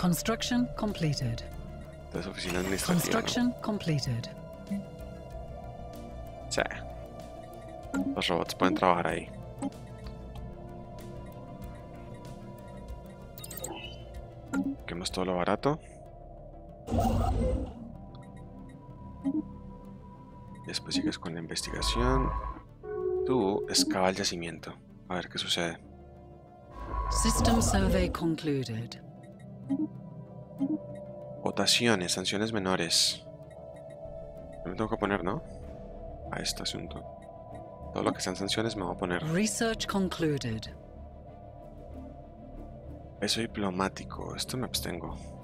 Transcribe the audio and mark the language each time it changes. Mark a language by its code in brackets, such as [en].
[en] Construction completed. [es] Entonces, oficina administrativa. [en] Construction completed. [es] Sí. Los robots pueden trabajar ahí. Quemamos todo lo barato. Después sigues con la investigación. Tú excava el yacimiento. A ver qué sucede. [en] System survey concluded. [es] Votaciones, sanciones menores. Me tengo que poner, ¿no? A este asunto. Todo lo que sean sanciones me voy a poner. [en] Research concluded. [es] Peso diplomático. Esto me abstengo.